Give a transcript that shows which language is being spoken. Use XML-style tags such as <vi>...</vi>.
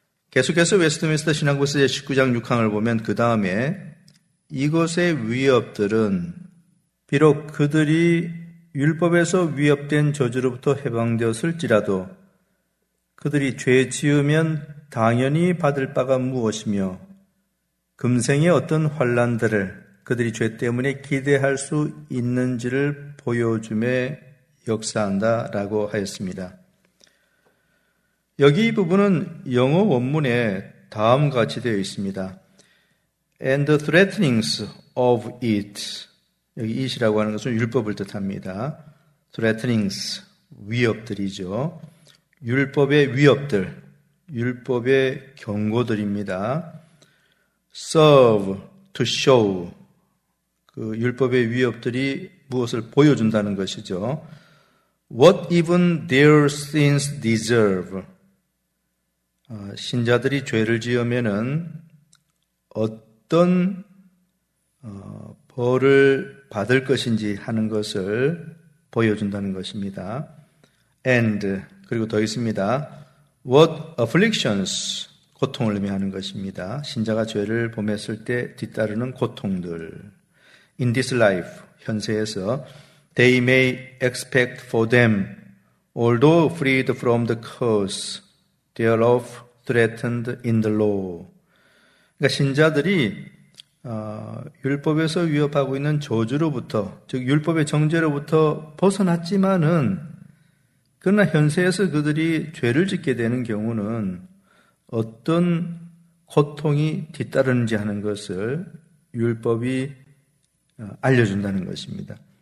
<ko>계속해서 웨스트민스터 신앙고서 19장 6항을 보면 그 다음에 이것의 위협들은 비록 그들이 율법에서 위협된 저주로부터 해방되었을지라도 그들이 죄 지으면 당연히 받을 바가 무엇이며 금생의 어떤 환난들을 그들이 죄 때문에 기대할 수 있는지를 보여줌에 역사한다라고 하였습니다. 여기 이 부분은 영어 원문에 다음과 같이 되어 있습니다.</ko> <en>And the threatenings of it.</en> <ko>여기 it이라고 하는 것은 율법을 뜻합니다. threatenings, 위협들이죠. 율법의 위협들, 율법의 경고들입니다.</ko> <en>serve to show.</en> <ko>그 율법의 위협들이 무엇을 보여준다는 것이죠.</ko> <en>What even their sins deserve.</en> <ko>신자들이 죄를 지으면은 어떤 벌을 받을 것인지 하는 것을 보여준다는 것입니다.</ko> <en>And,</en> <ko>그리고 더 있습니다.</ko> <en>What afflictions,</en> <ko>고통을 의미하는 것입니다. 신자가 죄를 범했을 때 뒤따르는 고통들.</ko> <en>In this life,</en> <ko>현세에서</ko> <en>they may expect for them, although freed from the curse, thereof threatened in the law.</en> <ko>그러니까 신자들이 율법에서 위협하고 있는 저주로부터, 즉 율법의 정죄로부터 벗어났지만은 그러나 현세에서 그들이 죄를 짓게 되는 경우는 어떤 고통이 뒤따르는지 하는 것을 율법이 알려준다는 것입니다.</ko>